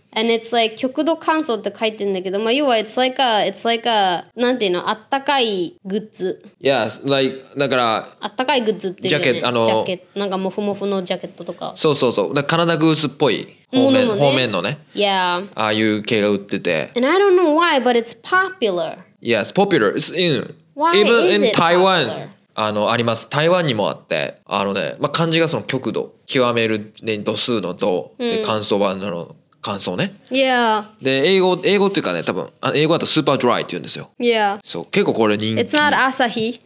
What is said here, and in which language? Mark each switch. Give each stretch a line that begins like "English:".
English: And it's like
Japanese: 極度乾燥って書いてるんだけど、まあ要は
English: it's like a
Japanese: なんていうのあったかいグッズ。
English: Yes, like
Japanese: だからあったかいグッズっていうよね。ジャケットジャケットなんかモフモフのジャケットとか。そうそうそう。だからカナダグースっぽい方面のね。
English: Yeah.
Japanese: ああいう系が売ってて。
English: And I don't know why, but it's popular. Yes, popular. It's in. Why is it popular? Even in Taiwan.
Japanese: あります台湾にもあってね、まあ、漢字がその極度極める度数の度で乾燥版なの。うん感想ね。
English: Yeah.
Japanese: で、英語っていうかね、多分英語だとスーパードライって言うんですよ。
English: Yeah.
Japanese: そう、結構これ人気。
English: It's not 朝日。